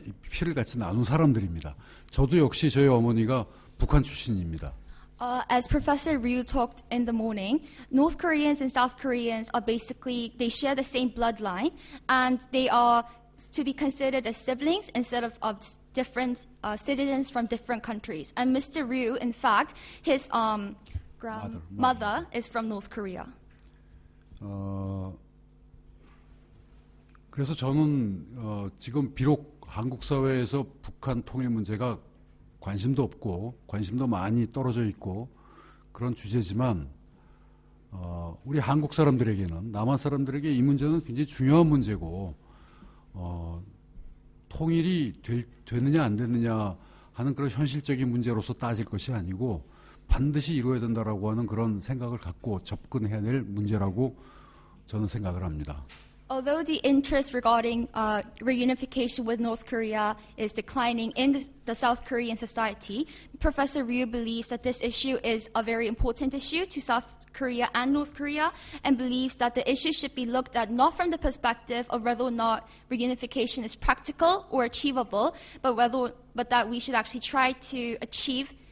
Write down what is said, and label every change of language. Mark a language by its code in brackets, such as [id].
[ko] 피를 같이 나눈 사람들입니다. 저도 역시 저희 어머니가 북한 출신입니다. [en] As Professor Ryu talked in the morning, North Koreans and South Koreans are basically, they share the same bloodline and they are to be considered as siblings instead of different citizens from different countries. And Mr. Ryu, in fact, his grandmother is from North Korea. [ko] 그래서 저는 지금 비록 한국 사회에서 북한 통일 문제가 관심도 없고 관심도 많이 떨어져 있고 그런 주제지만 우리 한국 사람들에게는 남한 사람들에게 이 문제는 굉장히 중요한 문제고 통일이 되느냐 안 되느냐 하는 그런 현실적인 문제로서 따질 것이 아니고 반드시 이루어야 된다라고 하는 그런 생각을 갖고 접근해야 될 문제라고 저는 생각을 합니다. [en] Although the interest regarding reunification with North Korea is declining in the South Korean society, Professor Ryu believes that this issue is a very important issue to South Korea and North Korea, and believes that the issue should be looked at not from the perspective of whether or not reunification is practical or achievable, but that we should actually try to achieve